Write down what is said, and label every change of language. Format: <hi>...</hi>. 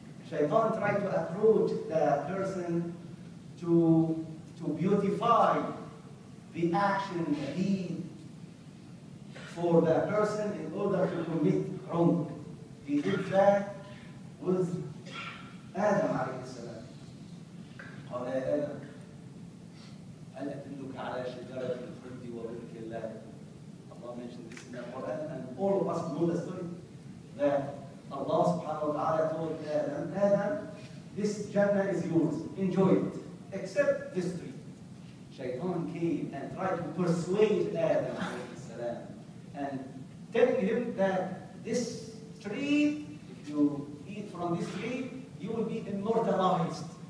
<en>Shaytan try to approach the person to beautify the action, the deed for the person in order to commit wrong. He did that with Adam alayhi salam.</en> <ar>قال يا آدم هل أدلك على شجرة الخلد وملك لا تبلى.</ar> <en>Allah mentioned this in the Quran, and all of us know the story that Allah subhanahu wa ta'ala told Adam, Adam, this Jannah is yours, enjoy it, except this tree. Shaytan came and tried to persuade Adam alayhi salam and telling him that this tree, if you eat from this tree, you will be immortalized.</en>